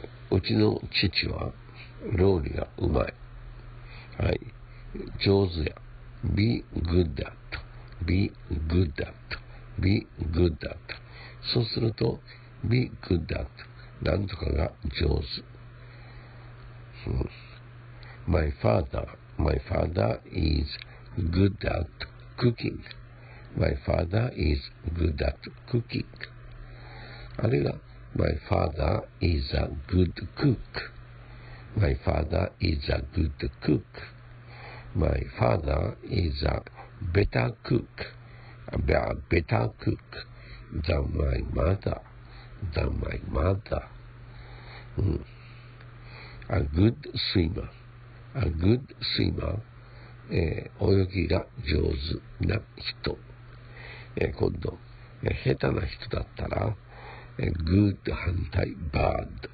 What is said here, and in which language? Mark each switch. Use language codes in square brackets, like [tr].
[ja] うちの父は料理がうまい。はい。上手や。 [en] be good at。 be good at, be good at。 [ja] そうすると [en] be good at、 [ja] なんとかが上手。 [en] My father is good at cooking. My father is good at cooking. あるいは My father is a good cook. My father is a good cook. My father is a better cook. A better cook than my mother. Than my mother.、A good swimmer. A good swimmer. [ja] 泳ぎが上手な人、今度、下手な人だったら、good 反対 bad、